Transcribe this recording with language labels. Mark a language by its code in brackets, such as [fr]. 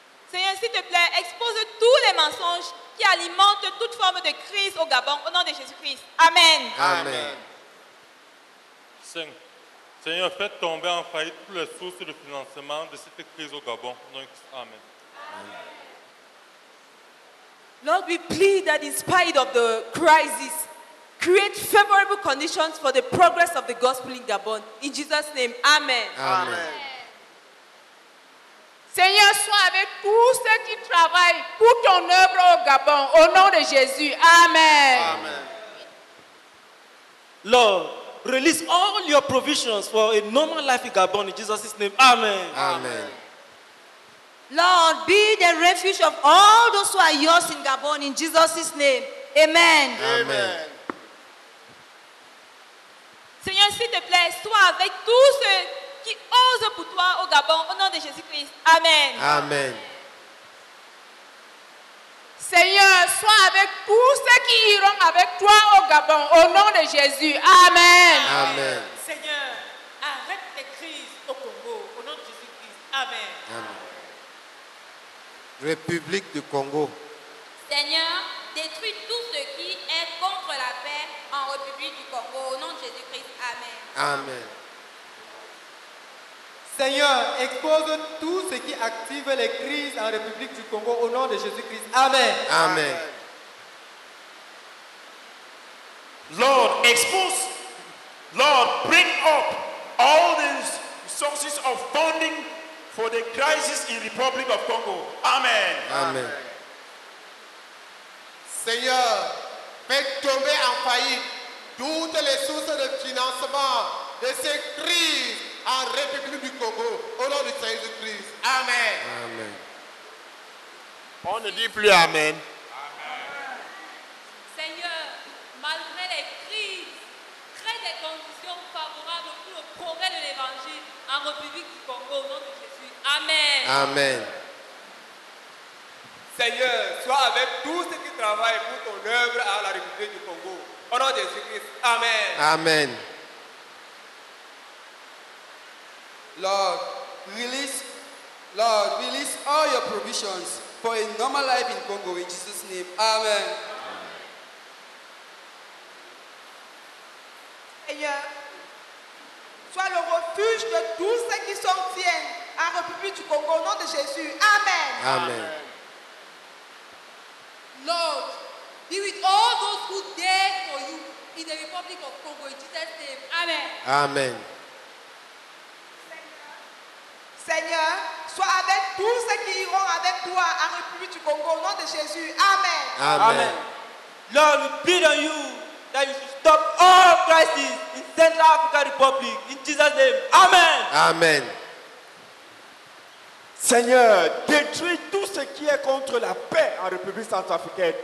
[fr] Seigneur, s'il te plaît, expose tous les mensonges qui alimentent toute forme de crise au Gabon, au nom de Jésus-Christ. Amen. Amen. Amen. Seigneur, fais tomber en faillite toutes les sources de financement de cette crise au Gabon. Donc, amen. Amen. [en] Lord, we plead that in spite of the crisis, create favorable conditions for the progress of the gospel in Gabon. In Jesus' name, amen. Amen. [fr] Seigneur, sois avec tous ceux qui travaillent pour ton œuvre au Gabon. Au nom de Jésus, amen. Amen. Lord, release all your provisions for a normal life in Gabon. In Jesus' name, amen. Amen. Lord, be the refuge of all those who are yours in Gabon, in Jesus' name. Amen. Amen. Seigneur, s'il te plaît, sois avec tous ceux qui osent pour toi au Gabon, au nom de Jésus-Christ. Amen. Amen. Seigneur, sois avec tous ceux qui iront avec toi au Gabon, au nom de Jésus. Amen. Amen. Seigneur, arrête les crises au Congo, au nom de Jésus-Christ. Amen. Amen. République du Congo. Seigneur, détruis tout ce qui est contre la paix en République du Congo, au nom de Jésus-Christ. Amen. Amen. Seigneur, expose tout ce qui active les crises en République du Congo, au nom de Jésus-Christ. Amen. Amen. [en] Lord, expose, Lord, bring up all these sources of funding for the crisis in Republic of Congo. Amen. Amen. [fr] Seigneur, fais tomber en faillite toutes les sources de financement de ces crises en République du Congo, au nom de Jésus-Christ. Amen. Amen. On ne dit plus amen. Amen. Seigneur, malgré les crises, crée des conditions favorables pour le progrès de l'Évangile en République du Congo, au nom de Jésus. Amen. Amen. Seigneur, sois avec tous ceux qui travaillent pour ton œuvre à la République du Congo. Au nom de Jésus-Christ. Amen. Amen. [en] Lord, release all your provisions for a normal life in Congo, in Jesus' name. Amen. Amen. [fr] Seigneur, sois le refuge de tous ceux qui sont tiens à la République du Congo, au nom de Jésus. Amen. Amen. [en] Lord, be with all those who dare for you in the Republic of Congo, in Jesus' name. Amen. Amen. [fr] Seigneur, sois avec tous ceux qui iront avec toi en République du Congo, au nom de Jésus. Amen. Amen. Amen. [en] Lord, we plead on you that you should stop all crises in Central African Republic, in Jesus' name. Amen. Amen. [fr] Seigneur, détruis tout ce qui est contre la paix en République centrafricaine.